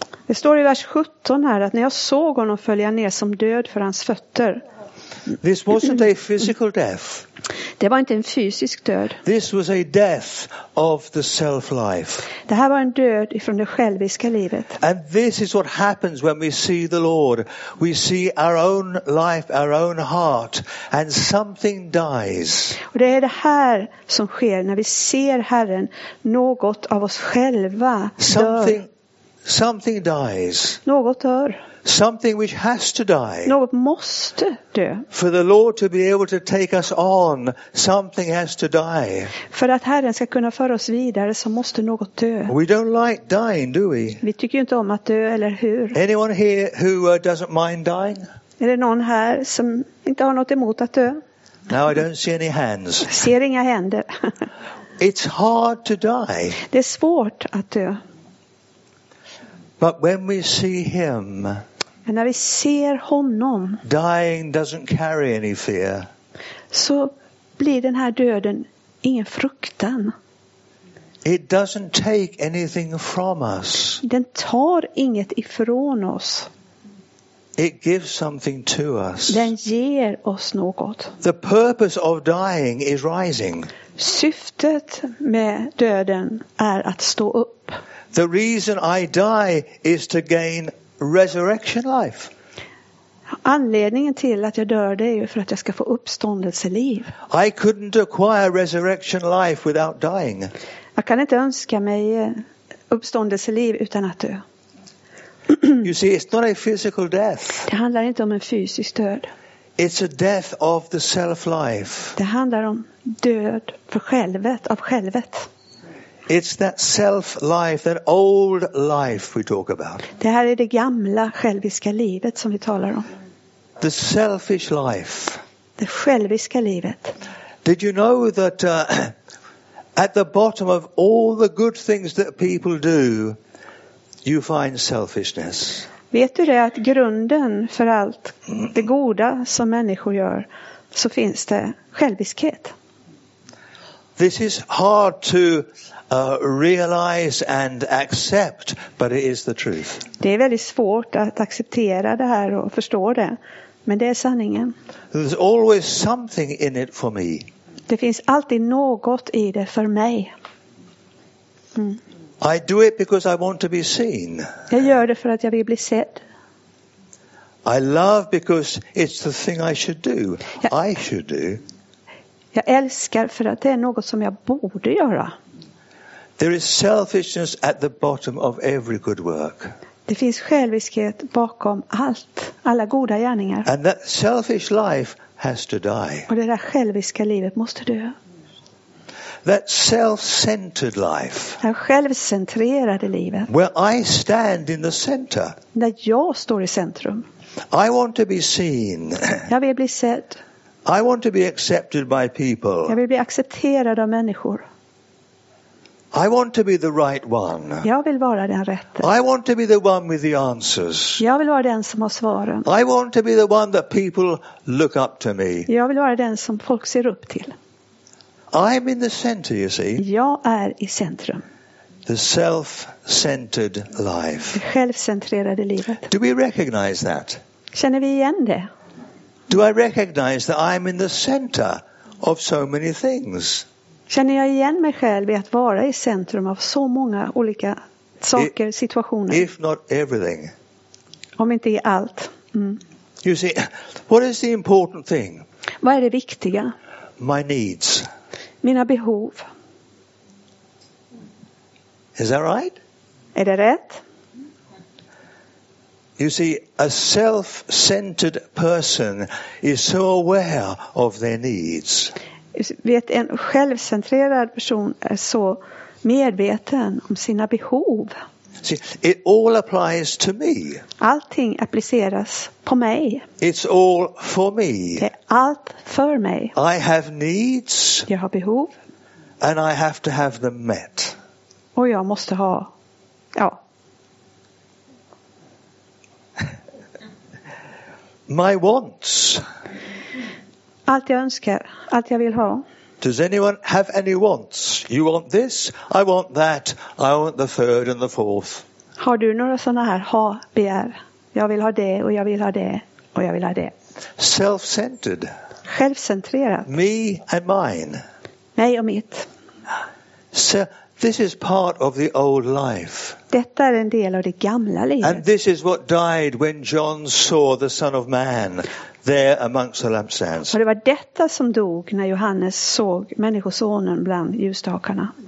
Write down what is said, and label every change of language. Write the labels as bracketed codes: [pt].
[sv] Det står i vers 17 här att när jag såg honom föll jag ner som död för hans fötter. [en] This wasn't a physical death. [sv] Det var inte en fysisk död. [en] This was a death of the self-life. [sv] Det här var en död ifrån det själviska livet. [en] And this is what happens when we see the Lord. We see our own life, our own heart, and something dies. [sv] Och det är det här som sker när vi ser Herren, något av oss själva dör. [en] Something dies. [sv] Något dör. [en] Something which has to die. [sv] Något måste dö. [en] For the Lord to be able to take us on, something has to die. [sv] För att Herren ska kunna föra oss vidare så måste något dö. [en] We don't like dying, do we? [sv] Vi tycker ju inte om att dö, eller hur? [en] Anyone here who doesn't mind dying? [sv] Är det någon här som inte har något emot att dö? [en] Now I don't see any hands. [sv] Ser inga händer. [en] It's hard to die. [sv] Det är svårt att dö. [en] But when we see him, [sv] men när vi ser honom, [en] dying doesn't carry any fear. [sv] Så blir den här döden ingen fruktan. [en] It doesn't take anything from us. [sv] Den tar inget ifrån oss. [en] It gives something to us. [sv] Den ger oss något. [en] The purpose of dying is rising. [sv] Syftet med döden är att stå upp. [en] The reason I die is to gain resurrection life. [sv] Anledningen till att jag dör det är ju för att jag ska få uppståndelseliv. [en] I couldn't acquire resurrection life without dying. [sv] Jag kan inte önska mig uppståndelseliv utan att dö. [en] You see, it's not a physical death. [sv] Det handlar inte om en fysisk död. [en] It's a death of the self-life. [sv] Det handlar om död för självet, av självet. [en] It's that self-life, that old life we talk about. [sv] Det här är det gamla själviska livet som vi talar om. [en] The selfish life. [sv] Det själviska livet. [en] Did you know that at the bottom of all the good things that people do, you find selfishness? [sv] Vet du det, att grunden för allt det goda som människor gör, så finns det själviskhet. [en] This is hard to realize and accept, but it is the truth. [sv] Det är väldigt svårt att acceptera det här och förstå det, men det är sanningen. [en] There's always something in it for me. [sv] Det finns alltid något i det för mig. Mm. [en] I do it because I want to be seen. [sv] Jag gör det för att jag vill bli sedd. [en] I love because it's the thing I should do. I should do. [sv] Jag älskar för att det är något som jag borde göra. [en] There is selfishness at the bottom of every good work. [sv] Det finns själviskhet bakom allt, alla goda gärningar. [en] And that selfish life has to die. [sv] Och det där själviska livet måste dö. [en] That self-centered life. [sv] Det självcentrerade livet. [en] Where I stand in the center. [sv] Där jag står i centrum. [en] I want to be seen. [sv] Jag vill bli sedd. [en] I want to be accepted by people. [sv] Jag vill bli accepterad av människor. [en] I want to be the right one. [sv] Jag vill vara den rätta. [en] I want to be the one with the answers. [sv] Jag vill vara den som har svaren. [en] I want to be the one that people look up to me. [sv] Jag vill vara den som folk ser upp till. [en] I'm in the center, you see. [sv] Jag är i centrum. [en] The self-centered life. [sv] Det självcentrerade livet. [en] Do we recognize that? [sv] Känner vi igen det? [en] Do I recognize that I'm in the center of so many things? [sv] Känner jag igen mig själv i att vara i centrum av så många olika saker, situationer? [en] If not everything. [sv] Om inte i allt. Mm. [en] You see, what is the important thing? [sv] Vad är det viktiga? [en] My needs. [sv] Mina behov. [en] Is that right? [sv] Är det rätt? [en] You see, a self-centered person is so aware of their needs. [sv] Vet, en självcentrerad person är så medveten om sina behov. [en] See, it all applies to me. [sv] Allting appliceras på mig. [en] It's all for me. [sv] Det är allt för mig. [en] I have needs. [sv] Jag har behov. [en] And I have to have them met. [sv] Och jag måste ha, ja. [en] My wants. [sv] Allt jag önskar, allt jag vill ha. [en] Does anyone have any wants? You want this, I want that, I want the third and the fourth. [sv] Har du några såna här ha-begär? Jag vill ha det och jag vill ha det och jag vill ha det. [en] Self-centered. [sv] Självcentrerat. [en] Me and mine. [sv] Mig och mitt. [en] So this is part of the old life. [sv] Detta är en del av det gamla livet. [en] And this is what died when John saw the Son of Man. There amongst the lampstands. [sv] Och det var detta som dog när Johannes såg människosonen bland ljusstakarna.